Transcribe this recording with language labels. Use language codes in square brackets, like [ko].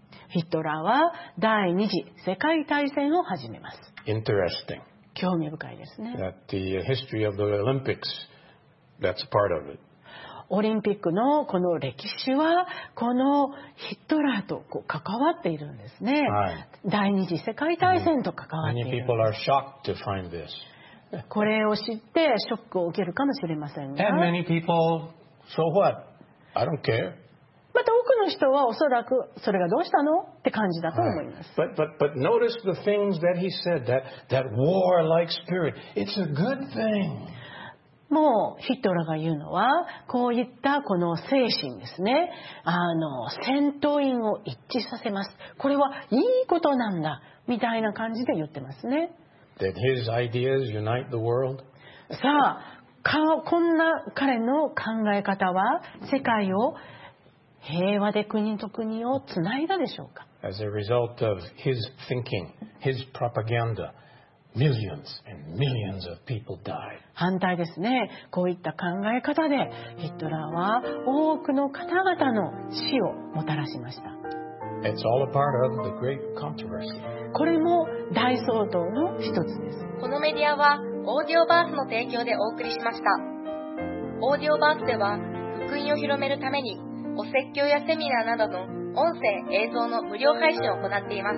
[ja] ヒトラーは第二次世界大戦を始めます。 [en] Interesting. [ja] 興味深いですね。 [en] That the history of the Olympics, that's part of it. [ja] オリンピックのこの歴史はこのヒトラーとこう関わっているんですね。はい。第二次世界大戦と関わっている。 [en] Many people are shocked to find this. [ja] これを知ってショックを受けるかもしれませんが。 [en] And many people, so what? I don't care. [ja] また多くの人はおそらくそれがどうしたのって感じだと思います。 [en] But, but notice the things that he said, that warlike spirit. It's a good thing. [ja] もうヒトラーが言うのはこういったこの精神ですね。戦闘員を一致させます。これはいいことなんだみたいな感じで言ってますね。 [en] Did his ideas unite the world? [ja] さあこんな彼の考え方は世界を平和で国と国をつないだでしょうか。 [en] As a result of his thinking, his propaganda, millions and millions of people died. [ja] 反対ですね。こういった考え方でヒトラーは多くの方々の死をもたらしました。 It's all a part of the great controversy. これも大騒動の一つです。このメディアはオーディオバースの提供でお送りしました。オーディオバースでは福音を広めるためにお説教やセミナーなどの音声・映像の無料配信を行っています。